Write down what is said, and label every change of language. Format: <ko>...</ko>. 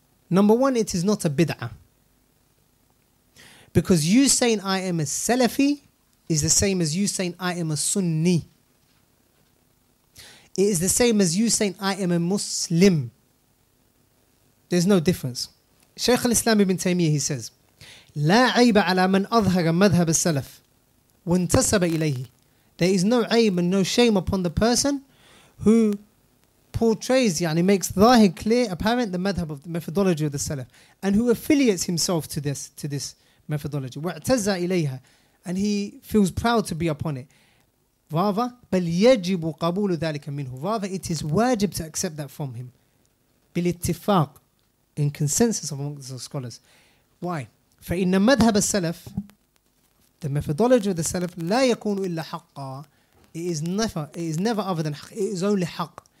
<en>Number one, it is not a bid'ah. Because you saying I am a Salafi is the same as you saying I am a Sunni. It is the same as you saying I am a Muslim. There's no difference. Shaykh al-Islam ibn Taymiyyah, he says,</en> <ar>لا عيب على من أظهر مذهب السلف وانتسب إليه.</ar> <en>There is no aim and no shame upon the person who portrays,</en> <ar>يعني</ar> <en>makes</en> <ar>ظاهر</ar> <en>clear, apparent, the madhab of the methodology of the Salaf, and who affiliates himself to this methodology.</en> <ar>واعتزى إليها,</ar> <en>and he feels proud to be upon it. Rather,</en> <ar>بل يجب قبول ذلك منه.</ar> <en>Rather, it is wajib to accept that from him.</en> <ar>بالاتفاق.</ar> <en>In consensus among the scholars. Why?</en> <ar>فَإِنَّ مَذْهَبَ السَّلَفِ</ar> <en>The methodology of the Salaf</en> <ar>لَا يَكُونُ إِلَّا حَقَّ</ar> <en>It is never other than</en> <ar>حق.</ar> <en>It is only حق.</en>